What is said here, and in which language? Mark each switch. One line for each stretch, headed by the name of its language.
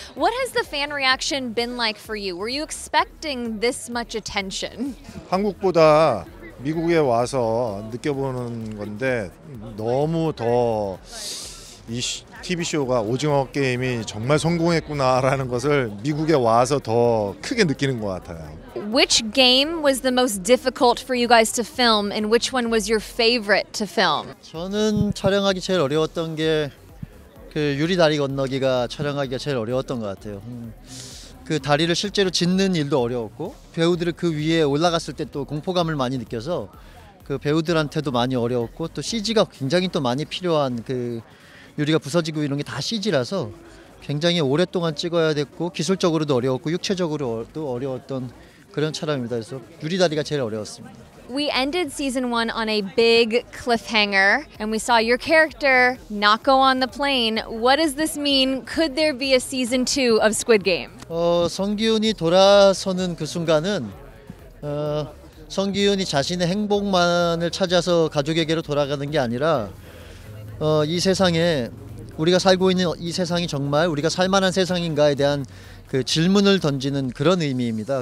English: What has the fan reaction been like for you? Were you expecting this much attention?
Korean: 한국보다 미국에 와서 느껴보는 건데 너무 더 이 TV 쇼가 오징어 게임이 정말 성공했구나라는 것을 미국에 와서 더 크게 느끼는 것 같아요.
English: Which game was the most difficult for you guys to film, and which one was your favorite to film?
Korean: 저는 촬영하기 제일 어려웠던 게 그 유리 다리 건너기가 촬영하기가 제일 어려웠던 것 같아요. 그 다리를 실제로 짓는 일도 어려웠고 배우들을 그 위에 올라갔을 때 또 공포감을 많이 느껴서 그 배우들한테도 많이 어려웠고 또 CG가 굉장히 또 많이 필요한 그 유리가 부서지고 이런 게 다 CG라서 굉장히 오랫동안 찍어야 됐고 기술적으로도 어려웠고 육체적으로도 어려웠던 그런 촬영입니다. 그래서 유리 다리가 제일 어려웠습니다.
English: We ended season 1 on a big cliffhanger and we saw your character not go on the plane. What does this mean? Could there be a season 2 of Squid Game?
Korean: 성기훈이 돌아서는 그 순간은 성기훈이 자신의 행복만을 찾아서 가족에게로 돌아가는 게 아니라 이 세상에 우리가 살고 있는 이 세상이 정말 우리가 살 만한 세상인가에 대한 그 질문을 던지는 그런 의미입니다.